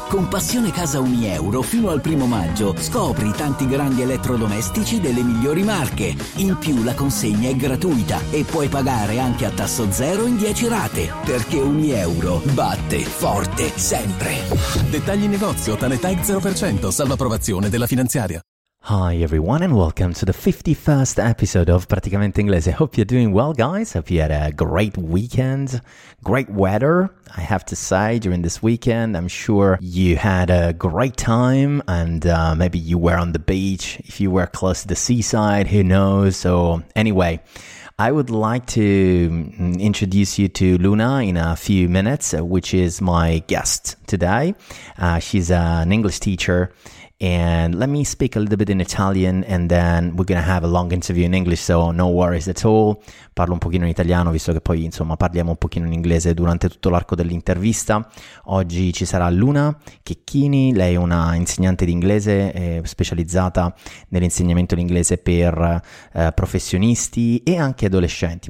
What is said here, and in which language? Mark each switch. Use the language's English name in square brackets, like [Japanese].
[Italian] Con Passione Casa Uni Euro fino al 1° maggio scopri tanti grandi elettrodomestici delle migliori marche. In più la consegna è gratuita e puoi pagare anche a tasso zero in 10 rate. Perché Uni Euro batte forte sempre. Dettagli negozio, Tanetag 0%, salva approvazione della finanziaria. [English] Hi everyone and welcome to the 51st episode of Praticamente Inglese. I hope you're doing well, guys. Hope you had a great weekend. Great weather, I have to say, during this weekend. I'm sure you had a great time and maybe you were on the beach. If you were close to the seaside, who knows? So anyway, I would like to introduce you to Luna in a few minutes, which is my guest today. She's an English teacher. And let me speak a little bit in Italian and then we're going to have a long interview in English, so no worries at all. [Italian] Parlo un pochino in italiano, visto che poi, insomma, parliamo un pochino in inglese durante tutto l'arco dell'intervista. Oggi ci sarà Luna Checchini, lei è una insegnante di inglese specializzata nell'insegnamento dell'inglese per professionisti e anche adolescenti.